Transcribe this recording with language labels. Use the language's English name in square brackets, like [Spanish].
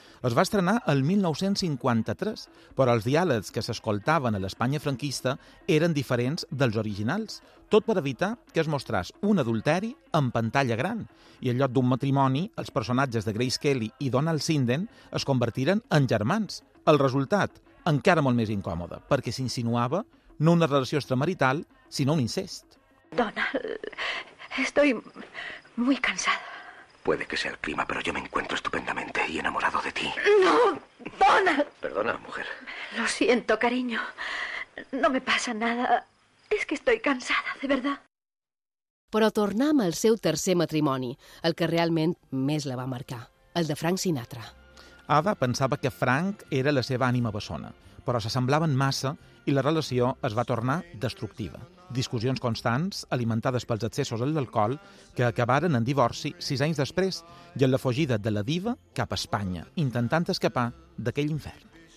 [Catalan] Es va estrenar el 1953, però els diàlegs que s'escoltaven a l'Espanya franquista eren diferents dels originals, tot per evitar que es mostrés un adulteri en pantalla gran. I en lloc d'un matrimoni, els personatges de Grace Kelly i Donald Sinden es convertiren en germans. El resultat, encara molt més incòmode, perquè s'insinuava no una relació extramarital, sinó un incest. [Spanish] Donald... Estoy muy cansada. Puede que sea el clima, pero yo me encuentro estupendamente y enamorado de ti. ¡No! ¡Donald! Perdona, mujer. Lo siento, cariño. No me pasa nada. Es que estoy cansada, de verdad. [Catalan] Però tornem al seu tercer matrimoni, el que realment més la va marcar, el de Frank Sinatra. Ava pensava que Frank era la seva ànima bessona, però s'assemblaven massa i la relació es va tornar destructiva. Discussions constants, alimentades pels excessos de l'alcohol, que acabaren en divorci 6 anys després i en la fugida de la diva cap a Espanya, intentant escapar d'aquell infern.